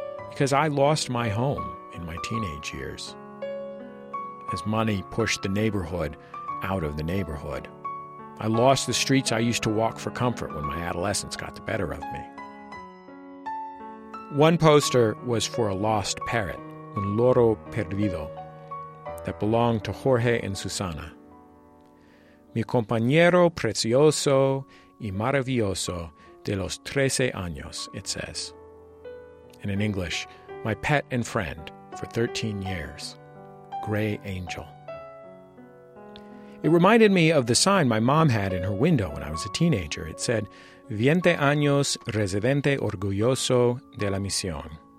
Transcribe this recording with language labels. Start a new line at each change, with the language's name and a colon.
English: Because I lost my home in my teenage years, as money pushed the neighborhood out of the neighborhood. I lost the streets I used to walk for comfort when my adolescence got the better of me. One poster was for a lost parrot,
Spanish: un loro perdido,
English: that belonged to Jorge and Susana.
Spanish: Mi compañero precioso y maravilloso de los 13 años,
English: it says. And in English, my pet and friend for 13 years. Gray angel. It reminded me of the sign my mom had in her window when I was a teenager. It said,
Spanish: 20 años residente orgulloso de la misión.